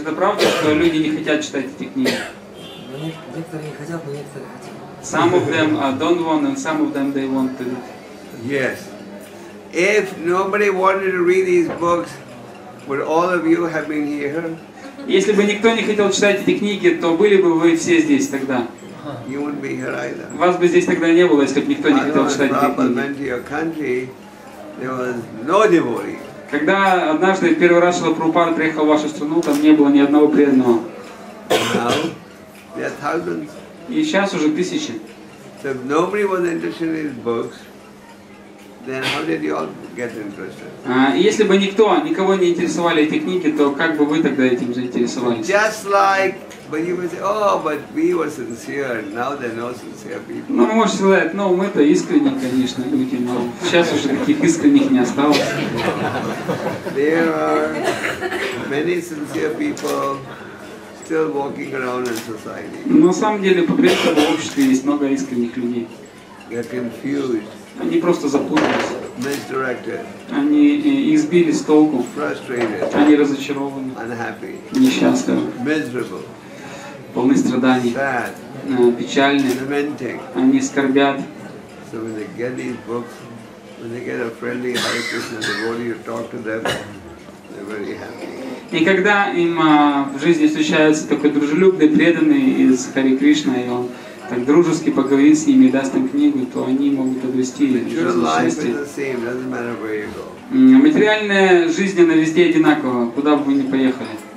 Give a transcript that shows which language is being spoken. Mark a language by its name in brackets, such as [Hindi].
[Russian] это правда, что люди не хотят читать эти книги? Некоторые не хотят, но некоторые хотят. [English] Some of them don't want, and some of them they want to. Yes. If nobody wanted to read these books, would all of you have been here? [Russian] Если бы никто не хотел читать эти книги, то были бы вы все здесь тогда. [English] You wouldn't be here either. [Russian] Вас бы здесь тогда не было, если бы никто не хотел читать эти книги. [English] When Prabhupada went to your country, there was no devotee. [Russian] Когда однажды первый раз Шрила Прабхупада приехал в вашу страну, там не было ни одного преданного. [English] Now there are thousands. [Russian] И сейчас уже тысячи. [English] So if nobody was interested in his books, then how did you all get interested? [Russian] Если бы никого не интересовали эти книги, то как бы вы тогда этим заинтересовались? [English] Just like when you would say, oh, but we were sincere, now they're not sincere people. [Russian] Ну, можете сказать, ну, мы-то искренние, конечно, люди, но сейчас уже таких искренних не осталось. [English] There are many sincere people. Still walking around in society. [Russian] На самом деле, по-прежнему в обществе есть много искренних людей. [English] They're confused. [Russian] Они просто запутались. [English] Misdirected. [Russian] Они их сбили с толку. [English] Frustrated. [Russian] Они разочарованы. [English] Unhappy. [Russian] Несчастны. [English] Miserable. [Russian] Полны страданий. [English] Sad. [Russian] Печальны. [English] Lamenting. [Russian] Они скорбят. [English] So when they get these books, when they get a friendly Hare Krishna devotee to talk to them, they're very happy. [Russian] И когда им в жизни встречается такой дружелюбный, преданный из Харе Кришна, и он так дружески поговорит с ними и даст им книгу, то они могут обрести счастье. Материальная жизнь, она везде одинакова, куда бы вы ни поехали.